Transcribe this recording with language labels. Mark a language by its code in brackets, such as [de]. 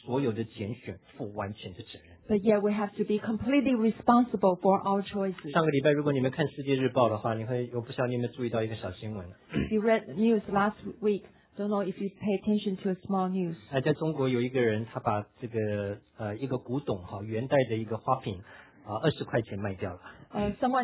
[zh] 但是今天我们要为着我们自己所有的拣选负完全的责任。 [en] But yet we have to be completely responsible for our choices. [zh] 上个礼拜如果你们看世界日报的话，你会我不晓得你们注意到一个小新闻。 [en] If you read news last week, don't know if you pay attention to a small news. [zh] 在中国有一个人，他把这个一个古董哈元代的一个花瓶啊20块钱卖掉了。 [en] Someone